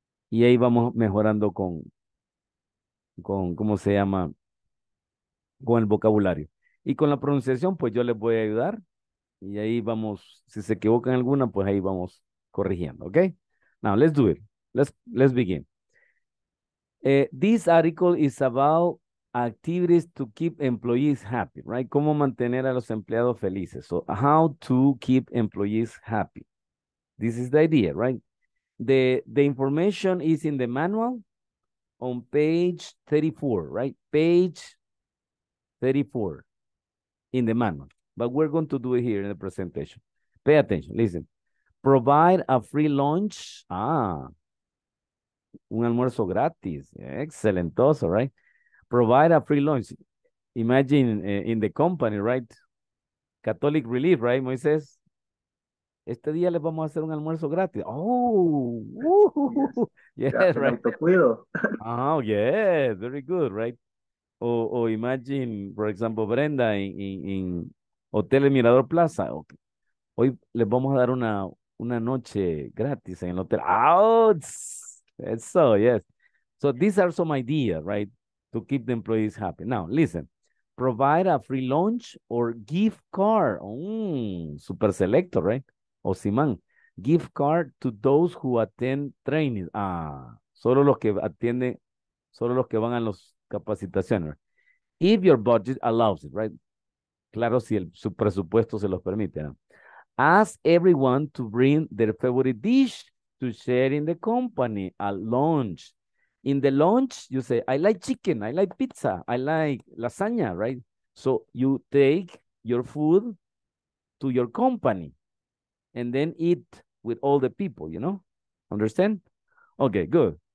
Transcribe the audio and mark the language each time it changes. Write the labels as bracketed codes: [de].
[es] Y ahí vamos mejorando con ¿cómo se llama? Con el vocabulario. Y con la pronunciación, pues yo les voy a ayudar. Y ahí vamos, si se equivocan alguna, pues ahí vamos corrigiendo, ¿ok? [en] Now, let's do it. Let's begin. This article is about activities to keep employees happy, right? [es] ¿Cómo mantener a los empleados felices? [en] So, how to keep employees happy. This is the idea, right? The information is in the manual on page 34, right? Page 34 in the manual. But we're going to do it here in the presentation. Pay attention. Listen. Provide a free lunch. [es] Ah, un almuerzo gratis. [en] Excelentoso, right? Provide a free lunch. Imagine in the company, right? Catholic Relief, right, Moisés? [es] Este día les vamos a hacer un almuerzo gratis. [en] Oh, yes. Yes, right. Oh, yes, very good, right? O imagine, for example, Brenda in Hotel El Mirador Plaza. Okay. [es] Hoy les vamos a dar una noche gratis en el hotel. [en] Oh, so, yes. So these are some ideas, right, to keep the employees happy. Now, listen, provide a free lunch or gift card. Super selector, right? O Simán, gift card to those who attend training. [es] Ah, solo los que van a las capacitaciones. [en] If your budget allows it, right? [es] Claro, si su presupuesto se los permite, ¿no? [en] Ask everyone to bring their favorite dish to share in the company at lunch. In the lunch, you say, I like chicken, I like pizza, I like lasagna, right? So you take your food to your company and then eat with all the people, you know? Understand? Okay, good.